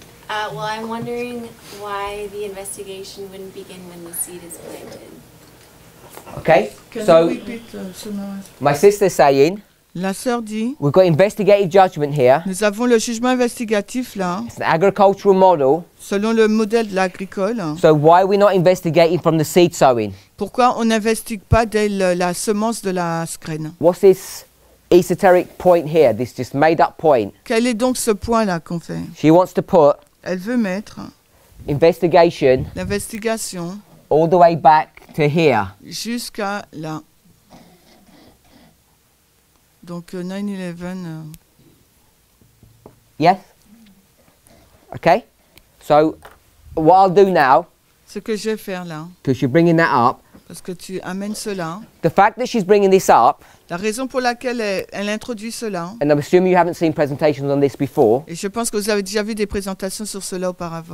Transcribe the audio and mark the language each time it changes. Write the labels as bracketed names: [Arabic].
[English] Well, I'm wondering why the investigation wouldn't begin when the seed is planted. Okay, can so repeat, my sister's saying. [French] La sœur dit, [English] we've got investigative judgment here. [French] Nous avons le jugement investigatif là. [English] It's an agricultural model. [French] Selon le modèle de l'agricole. [English] So why are we not investigating from the seed sowing? [French] Pourquoi on n'investigue pas dès la semence de la graine? [English] What's this esoteric point here? This just made up point. [French] Quel est donc ce point là qu'on fait? [English] She wants to put. [French] Elle veut mettre. [English] Investigation. [French] L'investigation. [English] All the way back to here. [French] Jusqu'à là. Donc 9/11. [English] Yes. Okay. So what I'll do now. [French] Ce que je vais faire là. [English] Because you're bringing that up. [French] Parce que tu amènes cela. [English] The fact that she's bringing this up. [French] La raison pour laquelle elle introduit cela. [English] And I'm assuming you haven't seen presentations on this before. [French] Et je pense que vous avez déjà vu des présentations sur cela auparavant.